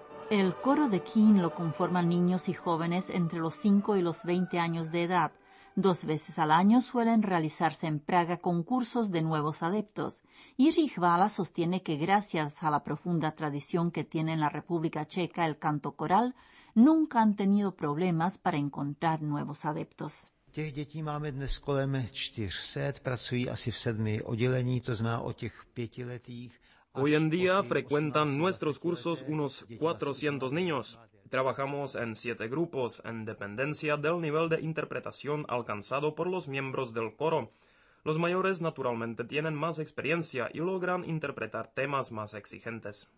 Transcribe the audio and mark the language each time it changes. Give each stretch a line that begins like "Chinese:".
Spanish: El coro de Keane lo conforman niños y jóvenes entre los 5 y los 20 años de edad. Dos veces al año suelen realizarse en Praga concursos de nuevos adeptos. Y Rihvala sostiene que gracias a la profunda tradición que tiene en la República Checa el canto coral, nunca han tenido problemas para encontrar nuevos adeptos.
Czech: Těch dětí máme dnes kolem 400, pracují asi v 7 oddělení, to znamená o těch 5letých.
Spanish: Hoy en día frecuentan nuestros cursos unos 400 niños. Trabajamos en 7 grupos, en dependencia del nivel de interpretación alcanzado por los miembros del coro. Los mayores naturalmente tienen más experiencia y logran interpretar temas más exigentes.